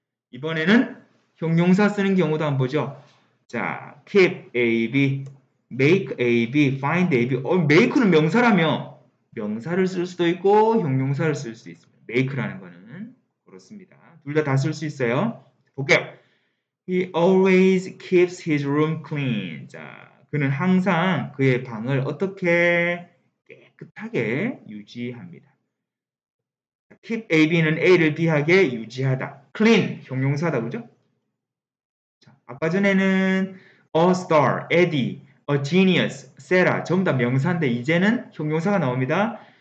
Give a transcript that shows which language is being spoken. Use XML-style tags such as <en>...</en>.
<ko>이번에는 형용사 쓰는 경우도 한번 보죠. 자, keep AB, make AB, find AB. make는 명사라며 명사를 쓸 수도 있고 형용사를 쓸수 있습니다. make라는 거는 그렇습니다. 둘다다쓸수 있어요. 볼게요.</ko> <en>He always keeps his room clean.</en> <ko>자, 그는 항상 그의 방을 어떻게 깨끗하게 유지합니다. Keep AB는 A를 B하게 유지하다. Clean, 형용사다, 그죠? 자, 아까 전에는 A star, Eddie, A genius, Sarah 전부 다 명사인데 이제는 형용사가 나옵니다.</ko>